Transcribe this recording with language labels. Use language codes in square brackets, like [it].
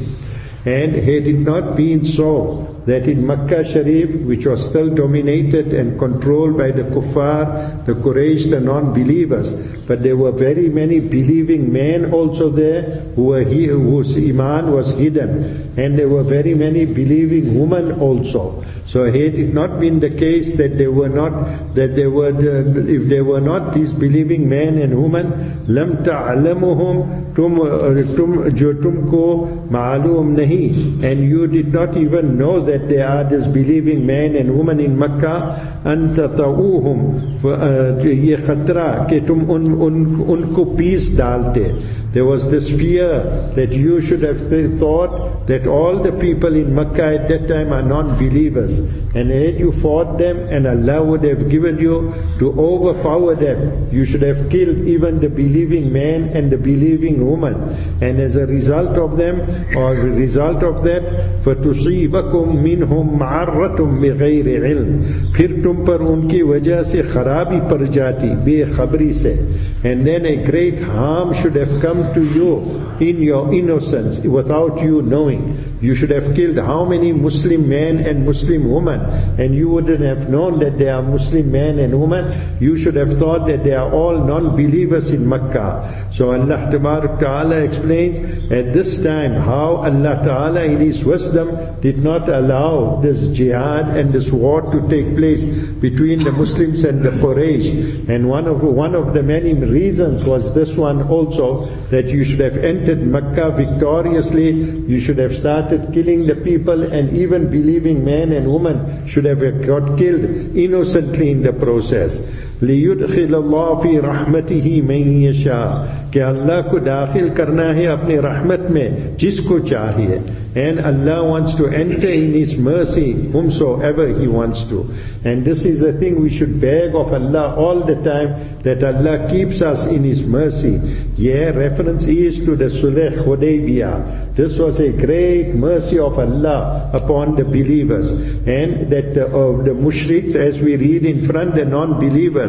[en] And he did not been so that in Makkah Sharif, which was still dominated and controlled by the Kuffar, the Quraysh, the non-believers, but there were very many believing men also there who were here, whose iman was hidden, and there were very many believing women also. So had it not been the case that they were not, if they were not these believing men and women, [ar] لَمْ تَعْلَمُهُمْ تُمْ جُتُمْكُ مَعْلُومْ نَهِ. [en] And you did not even know that they are disbelieving men and women in Makkah. [ar] أَنْتَ تَعُوهُمْ [ur] یہ خطرہ کہ تم ان کو پیس ڈالتے. [en] There was this fear that you should have thought that all the people in Makkah at that time are non-believers. And had you fought them and Allah would have given you to overpower them, you should have killed even the believing man and the believing woman. And as a result of them, or a result of that, [ar] فَتُصِيبَكُمْ مِنْهُمْ مَعَرَّةٌ بِغَيْرِ عِلْمٍ. [ur] پھر تم پر ان کی وجہ سے خرابی پر جاتی بے خبری سے. [en] And then a great harm should have come to you in your innocence without you knowing. You should have killed how many Muslim men and Muslim women, and you wouldn't have known that they are Muslim men and women. You should have thought that they are all non-believers in Makkah. So Allah Ta'ala explains at this time how Allah Ta'ala in His wisdom did not allow this jihad and this war to take place between the Muslims and the Quraysh. And one of the many reasons was this one also, that you should have entered Makkah victoriously, you should have started killing the people, and even believing men and women should have got killed innocently in the process. [ar] لِيُدْخِلَ اللَّهُ فِي رَحْمَتِهِ مَنْ يَشَاءُ. [ur] کہ اللہ کو داخل کرنا ہے اپنی رحمت میں جس کو چاہیے. [en] And Allah wants to enter in His mercy whomsoever He wants to. And this is a thing we should beg of Allah all the time, that Allah keeps us in His mercy. Yeah, reference is to the Sulh Hudaybiyah. This was a great mercy of Allah upon the believers. And that of the mushriks, as we read in front, the non-believers,